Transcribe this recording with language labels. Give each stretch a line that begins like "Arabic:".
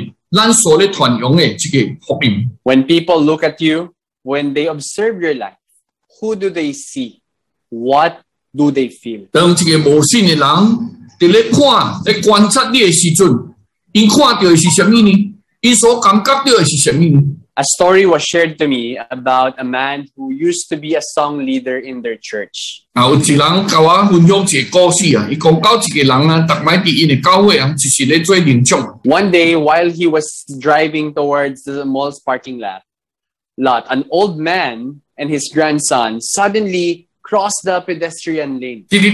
English: When people look at you, when they observe your life, who do they see? What do they feel?
Min Nan Chinese: 当一个无信的人伫咧看、咧观察你的时阵，因看到的是什么呢？因所感觉到的是什么呢？
English: A story was shared to me about a man who used to be a song leader in their church.
Min Nan Chinese: 有一人甲我分享一个故事啊，伊讲到一个人啊，逐摆伫因的教会啊，就是咧做领奖。
English: One day, while he was driving towards the mall's parking lot, an old man and his grandson suddenly crossed the pedestrian lane.